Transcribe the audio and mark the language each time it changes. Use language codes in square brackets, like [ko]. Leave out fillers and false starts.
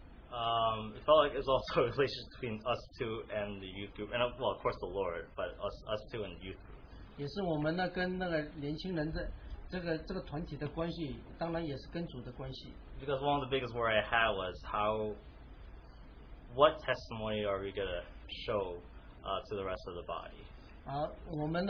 [en] It felt like it's also a relationship between us two and the youth group, and well, of course, the Lord, but us two and the youth group. [zh] 也是我们呢跟那个年轻人的这个团体的关系，当然也是跟主的关系。 [en] Because one of the biggest worries I had was what testimony are we going to show to the rest of the body?